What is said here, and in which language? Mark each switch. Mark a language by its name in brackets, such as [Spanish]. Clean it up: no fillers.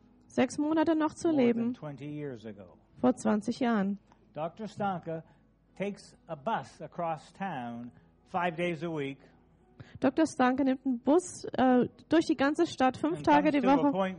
[German] sechs Monate noch zu leben, vor 20 Jahren. [English] Dr. Stanka takes a bus across town 5 days a week. [German] Dr. Stanka nimmt einen Bus durch die ganze Stadt 5 Tage die Woche.